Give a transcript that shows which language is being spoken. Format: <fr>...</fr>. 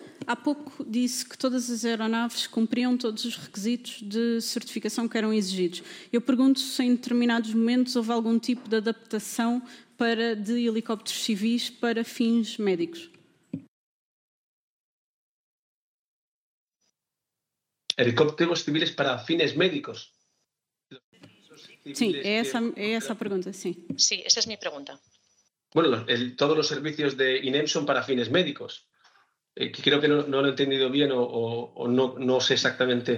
<pt>Há pouco disse que todas as aeronaves cumpriam todos os requisitos de certificação que eram exigidos. Eu pergunto se em determinados momentos houve algum tipo de adaptação de helicópteros civis para fins médicos.</pt> <es>Helicópteros civiles para fines médicos.</es> <pt>Sim, é essa a pergunta, sim. Sim, essa é a minha pergunta. Bueno, todos os serviços de INEM são</pt> <es>para fines médicos. Creo que no lo he entendido bien o no sé exactamente.</es>